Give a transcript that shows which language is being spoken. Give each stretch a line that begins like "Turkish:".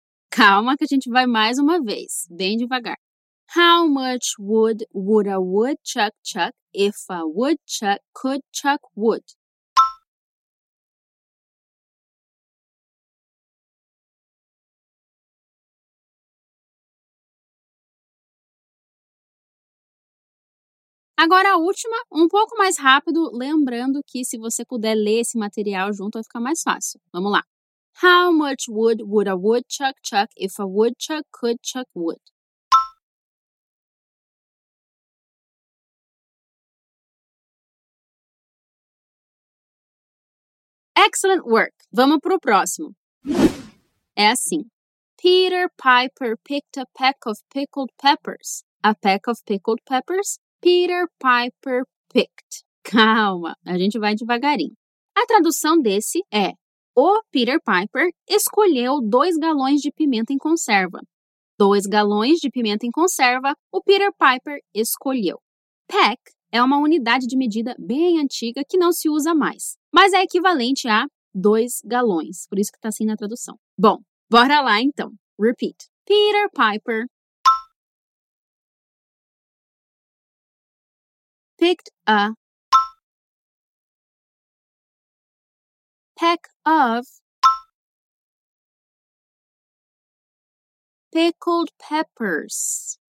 Portuguese: Calma que a gente vai mais uma vez, bem devagar.
English: How much wood would a woodchuck chuck if a woodchuck could chuck wood?
Portuguese: Agora a última, um pouco mais rápido, lembrando que se você puder ler esse material junto vai ficar mais fácil. Vamos lá.
English: How much wood would a woodchuck chuck if a woodchuck could chuck wood? Excellent work!
Portuguese: Vamos para o próximo. É assim.
English: Peter Piper picked a peck of pickled peppers. A peck of pickled peppers? Peter Piper picked.
Portuguese: Calma, a gente vai devagarinho. A tradução desse é: o Peter Piper escolheu 2 galões de pimenta em conserva. 2 galões de pimenta em conserva, o Peter Piper escolheu. Peck é uma unidade de medida bem antiga que não se usa mais, mas é equivalente a 2 galões, por isso que está assim na tradução. Bom, bora lá então.
English: Repeat. Peter Piper picked a peck of pickled peppers.